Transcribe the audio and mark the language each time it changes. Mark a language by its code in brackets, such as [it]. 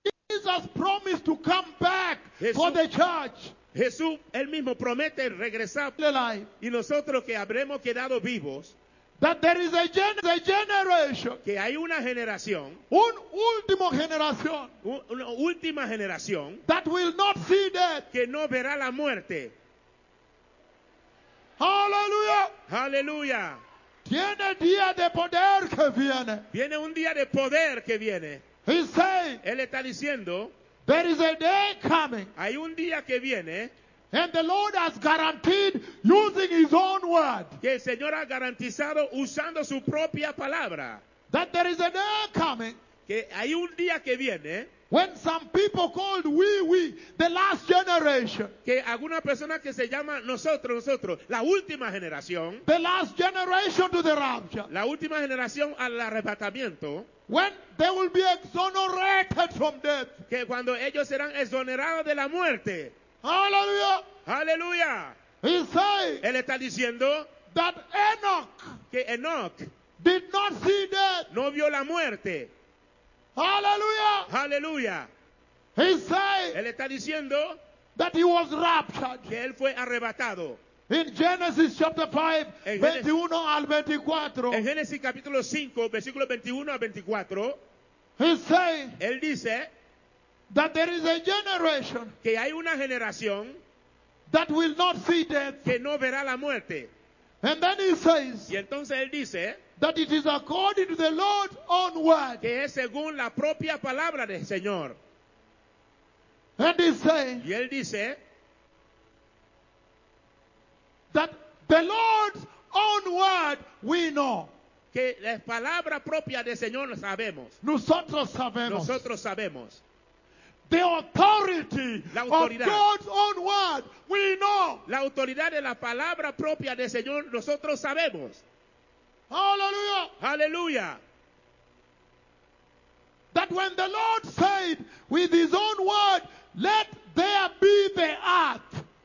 [en] Jesus promised to come back for the church. [es] Jesús, él mismo promete regresar y nosotros que habremos quedado vivos. [en] That there is a generation, [es] que hay una generación, una última generación, [en] that will not see death, [es] que no verá la muerte. Hallelujah! Hallelujah! Tiene día de poder que viene. Viene un día de poder que viene. [en] He said, [es] él está diciendo, [en] there is a day coming, [es] hay un día que viene. [en] And the Lord has guaranteed using his own word. [es] Que el Señor ha garantizado usando su propia palabra. [en] That there is a day coming. [es] Que hay un día que viene. [en] When some people called we, the last generation. [es] Que alguna persona que se llama nosotros, la última generación. [en] The last generation to the rapture. [es] La última generación al arrebatamiento. [en] When they will be exonerated from death. [es] Que cuando ellos serán exonerados de la muerte. Hallelujah! Hallelujah! [en] He said, [es] él está diciendo, [en] that Enoch, [es] que Enoch [en] did not see death, [es] no vio la muerte. Hallelujah! Hallelujah! [en] He said, [es] él está diciendo, [en] that he was raptured, [es] que él fue arrebatado. [en] In Genesis chapter 5, 21 al 24. [es] En Génesis capítulo 5, versículo 21 al 24. [en] He said, [es] él dice, [en] that there is a generation, [es] que hay una generación, [en] that will not see death, [es] que no verá la muerte. [en] And then he says, [es] y entonces él dice, [en] that it is according to the Lord's own word, [es] que es según la propia palabra del Señor. [en] And he says, [es] y él dice, [en] that the Lord's own word we know, [es] que la palabra propia del Señor lo sabemos. Nosotros sabemos. Nosotros sabemos. [en] The authority, [es] la autoridad, [en] of God's own word, we know. [es] La autoridad de la palabra propia del Señor, nosotros sabemos. Hallelujah. Hallelujah. [en] That when the Lord said with his own word, let there be the earth.